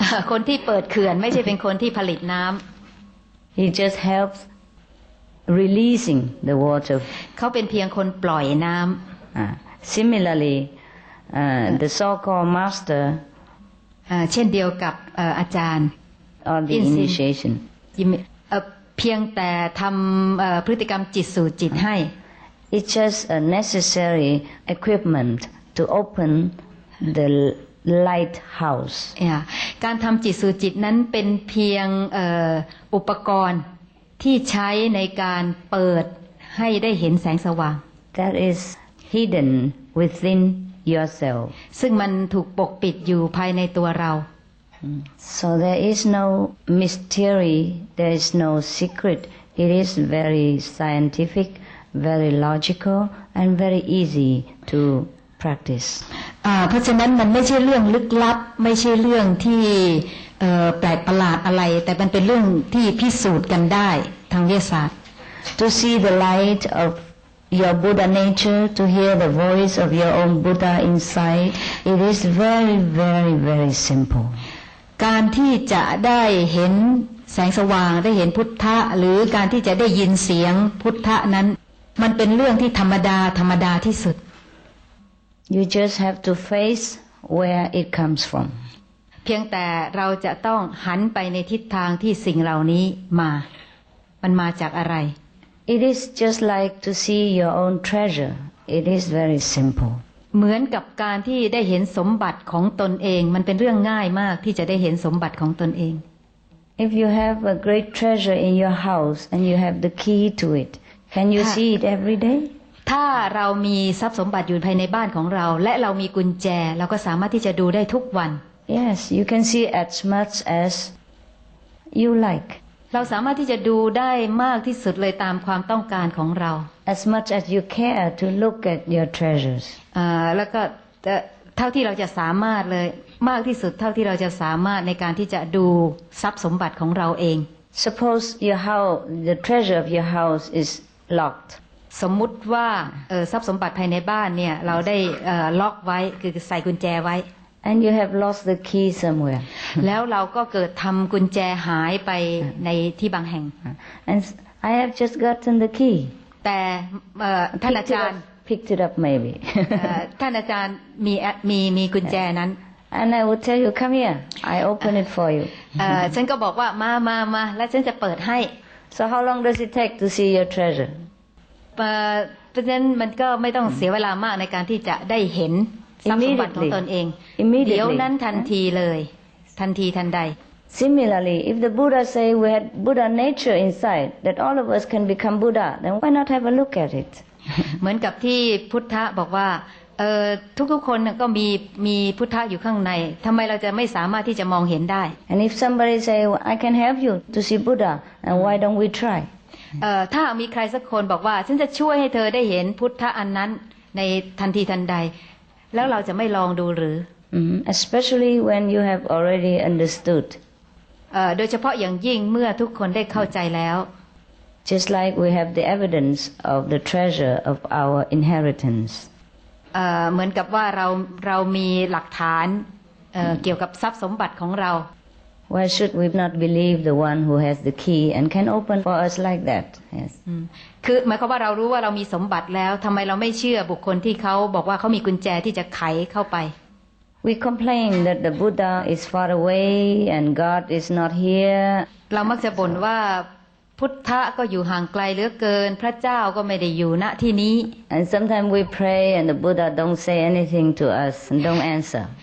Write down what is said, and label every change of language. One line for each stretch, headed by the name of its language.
Thai: คนที่เปิดเขื่อนไม่ใช่เป็นคนที่ผลิตน้ำ
English: He just helps releasing the water.
Thai: เขาเป็นเพียงคนปล่อยน้ำ
English: Similarly, the so-called master.
Thai: เช่นเดียวกับอาจารย์
English: On the initiation.
Thai: เพียงแต่ทำพฤติกรรมจิตสู่จิตให้
English: It's just a necessary equipment to openThe lighthouse. Yeah.
Thai: การทำจิตสู่จิตนั้นเป็นเพียงอุปกรณ์ที่ใช้ในการเปิดให้ได้เห็นแสงสว่าง
English: That is hidden within yourself.
Thai: ซึ่งมันถูกปกปิดอยู่ภายในตัวเรา
English: So there is no mystery. There is no secret. It is very scientific, very logical, and very easy to practice.
Thai: เพราะฉะนั้นมันไม่ใช่เรื่องลึกลับไม่ใช่เรื่องที่แปลกประหลาดอะไรแต่มันเป็นเรื่องที่พิสูจน์กันได้ทางวิทยาศาสตร์
English: To see the light of your Buddha nature to hear the voice of your own Buddha inside it is very very very simple
Thai: การที่จะได้เห็นแสงสว่างได้เห็นพุทธะหรือการที่จะได้ยินเสียงพุทธะนั้นมันเป็นเรื่องที่ธรรมดาที่สุด
English: You just have to face where it comes from.
Thai: เพียงแต่เราจะต้องหันไปในทิศทางที่สิ่งเหล่านี้มันมาจากอะไร
English: It is just like to see your own treasure. It is very simple.
Thai: เหมือนกับการที่ได้เห็นสมบัติของตนเองมันเป็นเรื่องง่ายมากที่จะได้เห็นสมบัติของตนเอง
English: If you have a great treasure in your house and you have the key to it, can you see it every day?
Thai: ถ้าเรามีทรัพย์สมบัติอยู่ภายในบ้านของเราและเรามีกุญแจเราก็สามารถที่จะดูได้ทุกวัน
English: Yes you can see as much as you like
Thai: เราสามารถที่จะดูได้มากที่สุดเลยตามความต้องการของเรา
English: As much as you care to look at your treasures
Thai: แล้วก็เท่าที่เราจะสามารถเลยมากที่สุดเท่าที่เราจะสามารถในการที่จะดูทรัพย์สมบัติของเราเอง
English: Suppose your house the treasure of your house is locked
Thai: สมมุติว่าทรัพย์สมบัติภายในบ้านเนี่ยเราได้ล็อกไว้คือใส่กุญแจไว้
English: And you have lost the key somewhere
Thai: แล้วเราก็เกิดทำกุญแจหายไปในที่บางแห่ง
English: And I have just gotten the key
Thai: แต่ท่านอาจารย์
English: picked it up maybe
Thai: ท่านอาจารย์มีกุญแจนั้น
English: And I would tell you come here I open it for you
Thai: ฉันก็บอกว่ามาแล้วฉันจะเปิดให้
English: So how long does it take to see your treasure
Thai: เพราะฉะนั้นมันก็ไม่ต้องเสียเวลามากในการที่จะได้เห็นทรัพย์สมบัติของตนเองเดี๋ ยวนั้นทันทีเลยทันทีทันใด
English: Similarly if the Buddha say we had Buddha nature inside that all of us can become Buddha then why not have a look at it
Thai: เหมือนกับที่พุทธะบอกว่าทุกคนก็มีพุทธะอยู่ข้างในทำไมเราจะไม่สามารถที่จะมองเห็นได้
English: And if somebody say I can help you to see Buddha then why don't we try
Thai: ถ้ามีใครสักคนบอกว่าฉันจะช่วยให้เธอได้เห็นพุทธะอันนั้นในทันทีทันใดแล้วเราจะไม่ลองดูหรือ
English: especially when you have already understood
Thai: โดยเฉพาะอย่างยิ่งเมื่อทุกคนได้เข้าใจแล้ว
English: just like we have the evidence of the treasure of our inheritance
Thai: เหมือนกับว่าเรามีหลักฐานเกี่ยวกับทรัพย์สมบัติของเรา
English: Why should we not believe the one who has the key and can open for us like that? Yes.
Thai: คือหมายความว่าเรารู้ว่าเรามีสมบัติแล้วทำไมเราไม่เชื่อบุคคลที่เขาบอกว่าเขามีกุญแจที่จะไขเข้าไป
English: We complain that the Buddha is far away and God is not here.
Thai: เรามักจะบ่นว่าพุทธะก็อยู่ห่างไกลเหลือเกินพระเจ้าก็ไม่ได้อยู่ณที่นี้
English: And sometimes we pray and the Buddha don't say anything to us and don't answer.